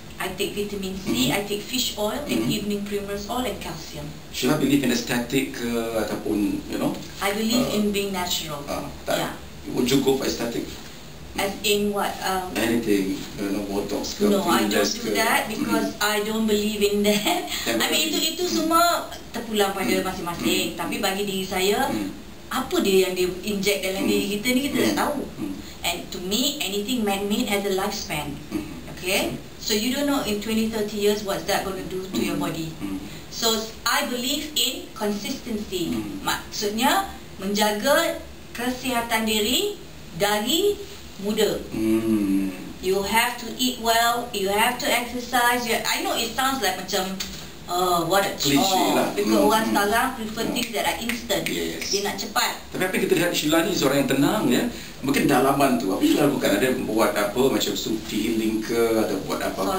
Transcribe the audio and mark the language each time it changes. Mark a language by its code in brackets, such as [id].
[en] I take vitamin C, I take fish oil, and evening primrose oil and calcium. Sheila believe in aesthetic ataupun, you know? I believe in being natural. Would you go for aesthetic? As in what? Anything, you know, Botox ke? No, I don't do that because I don't believe in that. I mean, [ms] itu semua terpulang pada masing-masing. Tapi bagi diri saya, apa dia yang dia inject dalam diri kita ni, kita tak tahu. [en] And to me, anything man-made has a lifespan. Okay? So you don't know in 20, 30 years what's that going to do to your body. So I believe in consistency. [ms] Maksudnya, menjaga kesihatan diri dari muda. [en] You have to eat well, you have to exercise. I know it sounds like macam, what a chore. [ms] Cliche lah. [en] Because [ms] orang sekarang [en] prefer things that are instant. Yes. [ms] Dia nak cepat. Tapi apa kita lihat Sheila ni, seorang yang tenang, ya? Mungkin dalaman tu, apa Sheila bukan? Ada buat apa, macam sufi healing ke, atau buat apa-apa,